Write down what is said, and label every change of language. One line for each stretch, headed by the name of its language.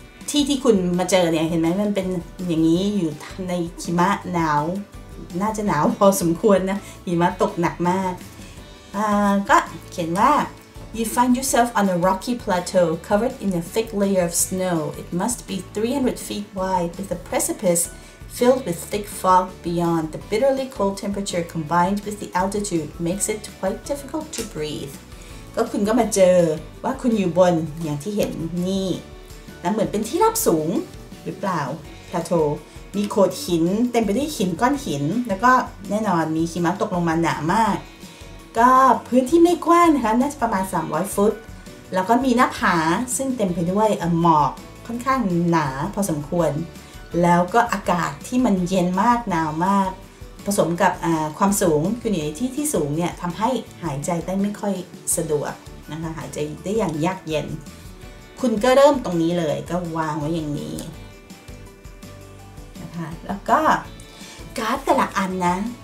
Thai: ที่ที่คุณมาเจอเนี่ยเห็นไหมมันเป็นอย่างนี้อยู่ในหิมะหนาวน่าจะหนาวพอสมควรนะหิมะตกหนักมากก็เขียนว่า
English: You find yourself on a rocky plateau covered in a thick layer of snow. It must be 300 feet wide with a precipice filled with thick fog beyond. The bitterly cold temperature combined with the altitude makes it quite difficult to breathe.
Thai: ก็คุณก็มาเจอว่าคุณอยู่บนอย่างที่เห็นนี่แล้วเหมือนเป็นที่ราบสูงหรือเปล่า plateau มีโขดหินเต็มไปด้วยหินก้อนหินแล้วก็แน่นอนมีหิมะตกลงมาหนามาก ก็พื้นที่ไม่กว้างนะคะน่าจะประมาณ300ฟุตแล้วก็มีหน้าผาซึ่งเต็มไปด้วยหมอกค่อนข้างหนาพอสมควรแล้วก็อากาศที่มันเย็นมากหนาวมากผสมกับความสูงคืออยู่ในที่ที่สูงเนี่ยทำให้หายใจได้ไม่ค่อยสะดวกนะคะหายใจได้อย่างยากเย็นคุณก็เริ่มตรงนี้เลยก็วางไว้อย่างนี้นะคะแล้วก็การ์ดแต่ละอันนะ